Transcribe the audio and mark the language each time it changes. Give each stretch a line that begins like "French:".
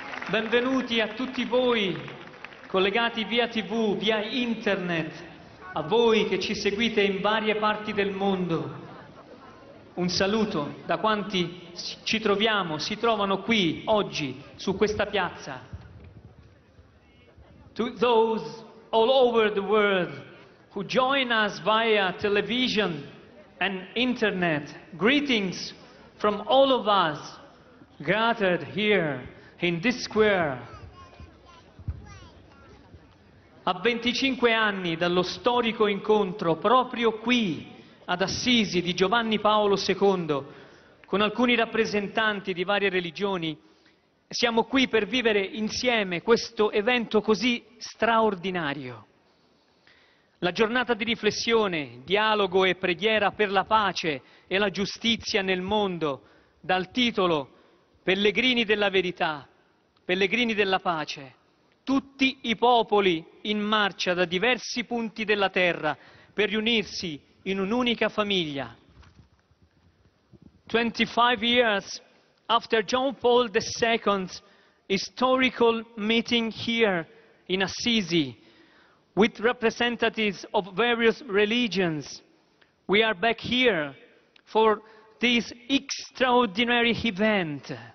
Italian: Benvenuti a tutti voi collegati via TV, via internet, a voi che ci seguite in varie parti del mondo. Un saluto da quanti ci troviamo, si trovano qui oggi su questa piazza.
English: To those all over the world who join us via television and internet, greetings from all of us gathered here in this square.
Italian: A 25 anni dallo storico incontro proprio qui ad Assisi di Giovanni Paolo II con alcuni rappresentanti di varie religioni, siamo qui per vivere insieme questo evento così straordinario. La giornata di riflessione, dialogo e preghiera per la pace e la giustizia nel mondo, dal titolo Pellegrini della verità, Pellegrini della pace. Tutti i popoli in marcia da diversi punti della terra per riunirsi in un'unica famiglia.
English: 25 years after John Paul II's historical meeting here in Assisi, with representatives of various religions, we are back here for this extraordinary event,